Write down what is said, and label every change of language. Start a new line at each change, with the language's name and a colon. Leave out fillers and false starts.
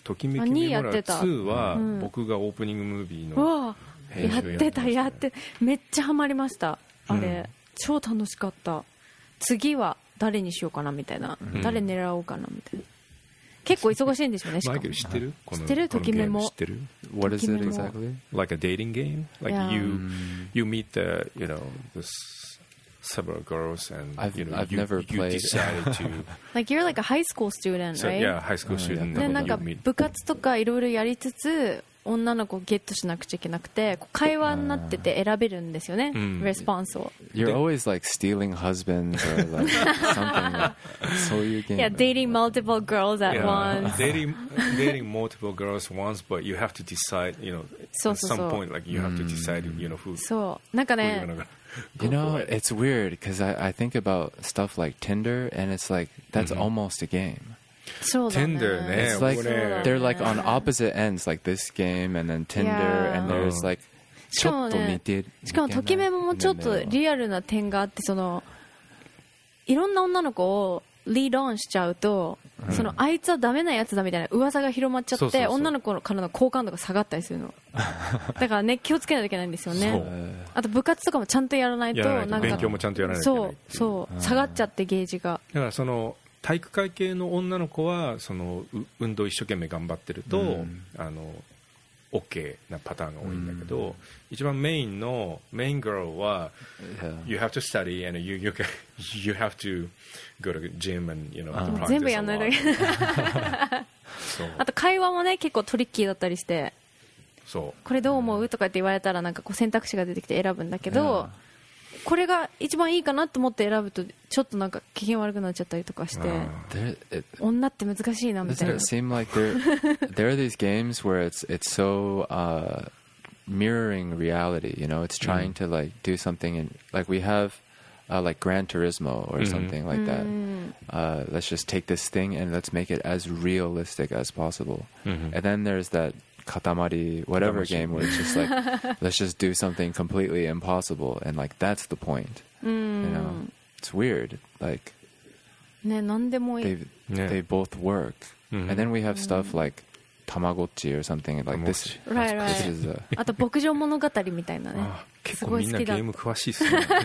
Japanese: ときめきメモリアル2は僕がオープニングムービーの編集やってた、ね、やってめっちゃハマりました、あれ、うん、超楽しかった。次は誰にしようかなみたいな、うん、誰狙おうかなみたいな。結構忙しいんでしょうね。マイケル知ってる、この、知ってる、ときめも知ってる。
English: What is it exactly? Like a dating game? Like you meet the, you know, this several girls and I've, you know, I've never you decided to like you're like a high school student, right? So, yeah, high school student.
Japanese: で、なんか部活とかいろいろやりつつ女の子ゲットしなくちゃいけなくて、会話になってて選べるんですよね、レスポンスを。
English: You're always like stealing husbands or like something like
Japanese: そういうゲーム。
English: Yeah, dating multiple girls at once. dating multiple girls once, but you have to decide, you know,
Japanese: そうそうそう
English: at some point, like you have to decide, you know, who.
Japanese: そう、なんかね。
English: You know, it's weird because I think about stuff like Tinder and it's like that's almost a game. So
Japanese: Tinder, ね、
English: it's like they're like on opposite ends, like this game and then Tinder、yeah. and there's like
Japanese: ちょっと似てる。しかもときめももちょっとリアルな点があって、そのいろんな女の子をリードオンしちゃうと、そのあいつはダメなやつだみたいな噂が広まっちゃって、そうそうそう、女の子からの好感度が下がったりするの。だからね、気をつけないといけないんですよね。あと部活とかもちゃんとやらないと、なんか勉強もちゃんとやらないといけない。そう、下がっちゃってゲージが。だからその体育会系の女の子はその運動一生懸命頑張ってると、うん、あの OK なパターンが多いんだけど、うん、一番メインのメイン girl は、yeah.
English: You have to study and you have to go to gym and you know、practice
Japanese: 全部やんないといけない。あと会話もね結構トリッキーだったりして、そうこれどう思うとかって言われたらなんかこう選択肢が出てきて選ぶんだけど、yeah. これが一番いいかなと思って選ぶとちょっとなんか機嫌悪くなっちゃったりとかして、女って難しいなみたいな。
English: Doesn't it seem like there are these games where it's so mirroring reality, you know? It's trying to like do something in, like we have like Gran Turismo or something like that. Let's just take this thing and let's make it as realistic as possible. And then there's that Katamari, whatever game where it's just like let's just do something completely impossible and like that's the point. You know, it's weird. Like,
Japanese: ね、なんでもいい。
English: They both work. And then we have stuff like Tamagotchi or something like this. Right, right. This is a...
Japanese: あと牧場物語みたいなね。結構みんなゲーム詳しいっすね。